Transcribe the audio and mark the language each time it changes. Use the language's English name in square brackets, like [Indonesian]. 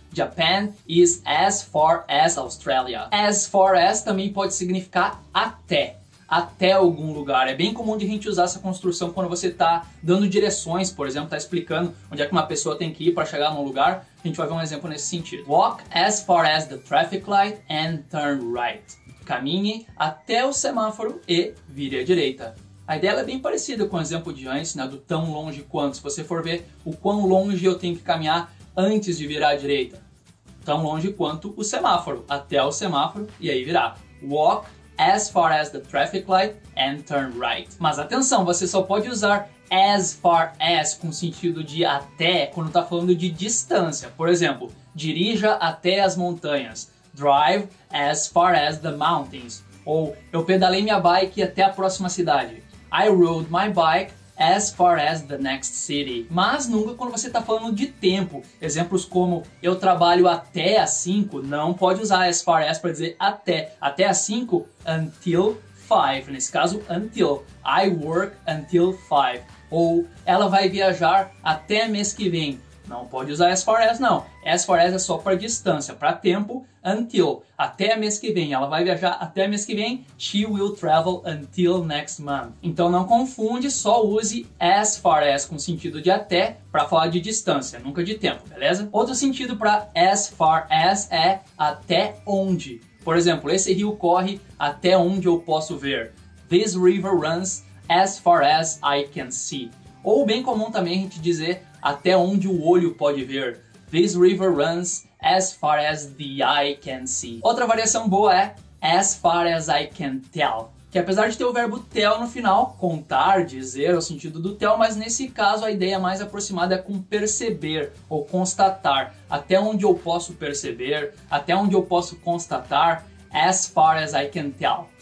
[English] Japan is as far as Australia. As far as [Portuguese] também pode significar até. Até algum lugar. É bem comum de a gente usar essa construção quando você está dando direções, por exemplo, está explicando onde é que uma pessoa tem que ir para chegar num lugar. A gente vai ver um exemplo nesse sentido. [English] Walk as far as the traffic light and turn right. [Portuguese] Caminhe até o semáforo e vire à direita. A ideia é bem parecida com o exemplo de antes, né, do tão longe quanto. Se você for ver o quão longe eu tenho que caminhar antes de virar à direita. Tão longe quanto o semáforo, até o semáforo e aí virar. [English] Walk as far as the traffic light and turn right. [Portuguese] Mas atenção, você só pode usar as far as com sentido de até quando está falando de distância. Por exemplo, dirija até as montanhas. [English] Drive as far as the mountains. [Portuguese] Ou eu pedalei minha bike até a próxima cidade. [English] I rode my bike as far as the next city. [Portuguese] Mas nunca quando você está falando de tempo. Exemplos como eu trabalho até as 5, não pode usar as far as para dizer até. Até as 5, [English] until 5. [Portuguese] Nesse caso, until. [English] I work until 5. [Portuguese] Ou ela vai viajar até mês que vem. Não pode usar as far as, não. As far as é só para distância, para tempo, until, até mês que vem. Ela vai viajar até mês que vem, [English] she will travel until next month. [Portuguese] Então não confunde, só use as far as com sentido de até para falar de distância, nunca de tempo, beleza? Outro sentido para as far as é até onde. Por exemplo, esse rio corre até onde eu posso ver. [English] This river runs as far as I can see. [Portuguese] Ou bem comum também a gente dizer até onde o olho pode ver. [English] This river runs as far as the eye can see. Outra variação boa é as far as I can tell. [Portuguese] Que apesar de ter o verbo tell no final, contar, dizer, o sentido do tell, mas nesse caso a ideia mais aproximada é com perceber ou constatar. Até onde eu posso perceber, até onde eu posso constatar, [English] as far as I can tell.